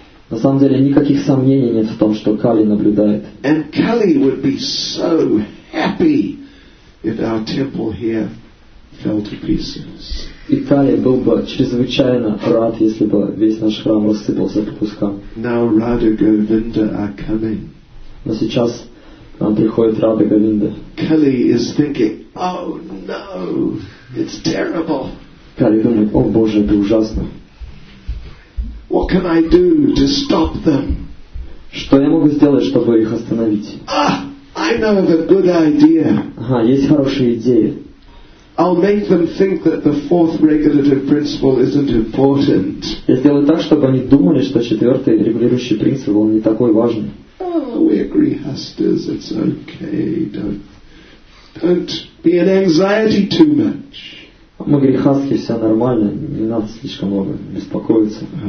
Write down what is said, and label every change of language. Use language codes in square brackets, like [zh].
[ru] На самом деле никаких сомнений нет в том, что Кали наблюдает. [en] And Kali would be so happy if our temple here fell to pieces. [ru] И Кали был бы чрезвычайно рад, если бы весь наш храм рассыпался по кускам. [en] Now Radha Govinda are coming. [ru] Но сейчас к нам приходит Радха Говинда. [en] Kali is thinking, oh no, it's terrible. [ru] Кали думает, о боже, это ужасно. [en] What can I do to stop them? [ru] Что я могу сделать, чтобы их остановить? [en] Ah, I know of a good idea. [ru] Ага, есть хорошая идея. [en] I'll make them think that the fourth regulative principle isn't important. [ru] Я сделаю так, чтобы они думали, что четвертый регулирующий принцип он не такой важный. [en] Oh, we're grihasthas, it's okay. Don't be in anxiety too much. [ru] Мы грихасхи, все нормально, не надо слишком много беспокоиться.